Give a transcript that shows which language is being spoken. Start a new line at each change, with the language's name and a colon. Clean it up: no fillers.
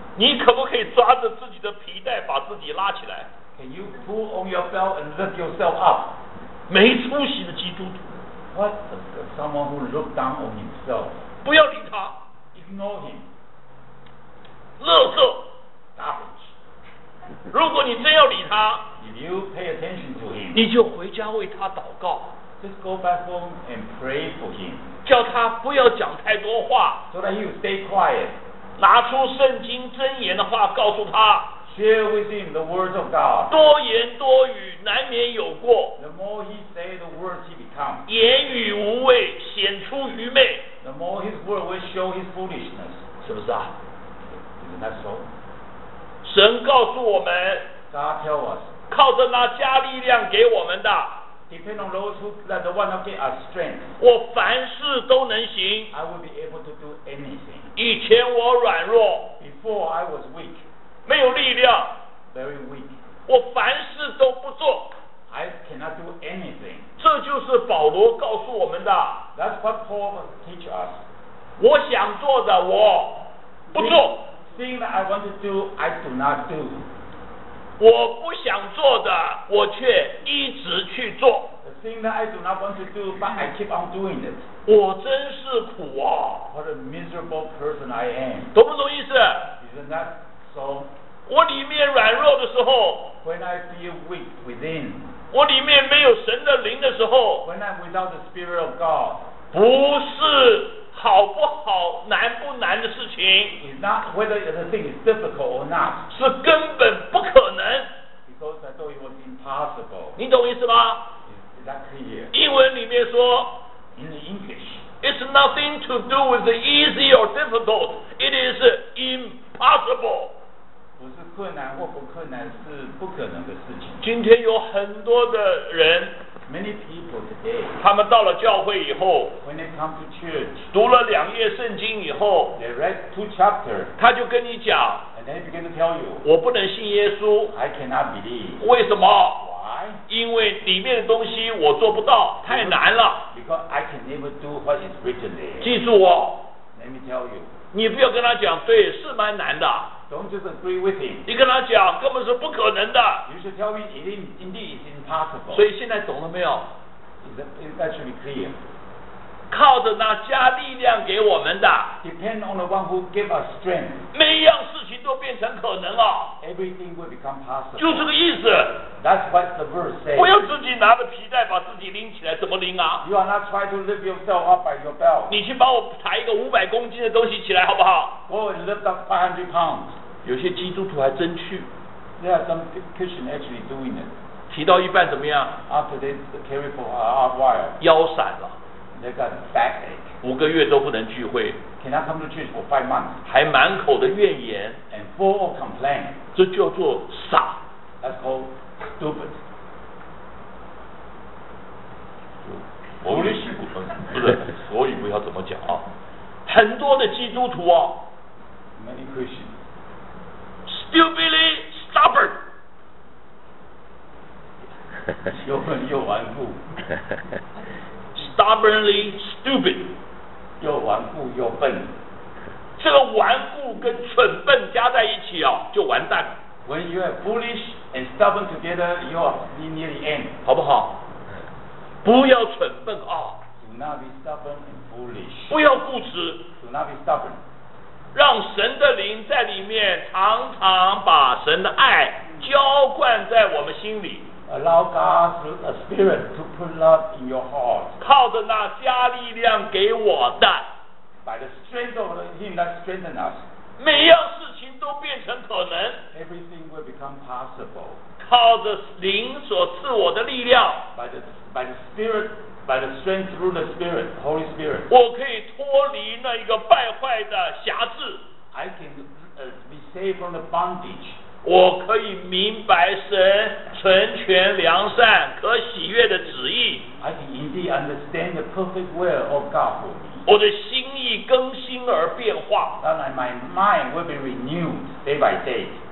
Chinese: 你可不可以抓着自己的皮带把自己拉起来？
English: Can you pull on your belt and lift yourself up?
Chinese: 没出息的基督徒。
English: What someone who look down on himself?
Chinese: 不要理他。
English: Ignore him.
Chinese: 垃圾。
English: Garbage.
Chinese: 如果你真要理他
English: ，If you pay attention to him,
Chinese: 你就回家为他祷告。
English: Just go back home and pray for him.
Chinese: 叫他不要讲太多话。
English: So that he will stay quiet.
Chinese: 拿出圣经箴言的话告诉他。
English: Share with him the words of God.
Chinese: 多言多语难免有过。
English: The more he say, the worse he become.
Chinese: 言语无味，显出愚昧。
English: The more his word will show his foolishness.
Chinese: 是不是啊？
English: And that's all.
Chinese: 神告诉我们
English: God tell us,
Chinese: 靠着那加力量给我们的
English: Depend on those who, that the one who gave us strength,
Chinese: 我凡事都能行
English: I will be able to do anything.
Chinese: 以前我软弱
English: Before I was weak,
Chinese: 没有力量
English: Very weak.
Chinese: 我凡事都不做
English: I cannot do anything.
Chinese: 这就是保罗告诉我们的
English: That's what Paul teach us.
Chinese: 我想做的我不做
English: Thing that I want to do, I do not do.
Chinese: 我不想做的，我却一直去做。
English: The thing that I do not want to do, but I keep on doing it.
Chinese: 我真是苦啊
English: ！What a miserable person I am.
Chinese: 懂不懂意思
English: ？Isn't that so?
Chinese: 我里面软弱的时候
English: ，When I feel weak within.
Chinese: 我里面没有神的灵的时候
English: ，When I'm without the Spirit of God.
Chinese: 不是。好不好难不难的事情
English: is not whether the thing is difficult or not
Chinese: 是根本不可能
English: because I thought it was impossible
Chinese: 你懂意思吗
English: is that clear
Chinese: 英文里面说
English: in the English it's nothing to do with the easy or difficult it is impossible
Chinese: 不是困难或不困难是不可能的事情今天有很多的人
English: Many people today,
Chinese: 他们到了教会以后
English: when they come to church,
Chinese: 读了两页圣经以后
English: they read two chapters,
Chinese: 他就跟你讲
English: and they begin to tell you,
Chinese: 我不能信耶稣
English: I cannot believe.
Chinese: 为什么
English: Why?
Chinese: 因为里面的东西我做不到太难了
English: Because I can never do what is written there.
Chinese: 记住哦
English: Let me tell you.
Chinese: 你不要跟他讲对是蛮难的
English: Don't just agree with him.
Chinese: 你跟他讲根本是不可能的
English: You should tell me it is indeed Possible.
Chinese: 所以现在懂了没有
English: It's actually clear
Chinese: 靠着那加力量给我们的
English: Depend on the one who gave us strength
Chinese: 每一样事情都变成可能了
English: Everything will become possible
Chinese: 就这个意思
English: That's what the verse says
Chinese: 不要自己拿着皮带把自己拎起来怎么拎啊
English: You are not trying to lift yourself up by your belt
Chinese: 你去帮我抬一个500公斤的东西起来好不好
English: Go and lift up 500 pounds
Chinese: 有些基督徒还真去
English: There are some Christians actually doing it
Chinese: 提到一半怎么样
English: After they carry for a while,
Chinese: 腰闪了
English: they got backache.
Chinese: 五个月都不能聚会
English: Cannot come to church for 5 months.
Chinese: 还满口的怨言
English: And full of complaint.
Chinese: 这叫做傻
English: That's called stupid.
Chinese: 我语系不分不是我语不要怎么讲啊很多的基督徒啊
English: Many Christians Stupidly stubborn.
Chinese: 又笨又顽固
English: Stubbornly stupid
Chinese: 又顽固又笨这个顽固跟蠢笨加在一起、哦、就完蛋
English: When you are foolish and stubborn together you are near the end
Chinese: 好不好不要蠢笨、哦、
English: Do not be stubborn and foolish
Chinese: 不要固执
English: Do not be stubborn
Chinese: 让神的灵在里面常常把神的爱浇灌在我们心里
English: Allow God's spirit to put love in your heart.
Chinese: 靠着那加力量给我的
English: By the strength of him that strengthened us.
Chinese: 每样事情都变成可能
English: Everything will become possible.
Chinese: 靠着灵所赐我的力量
English: By the strength through the spirit, Holy Spirit.
Chinese: 我可以脱离那一个败坏的辖制
English: I can be saved from the bondage.
Chinese: 我可以明白神纯全良善可喜悦的旨意
English: I can indeed understand the perfect will of God for me
Chinese: 我的心意更新而变化
English: And my mind will be renewed day by day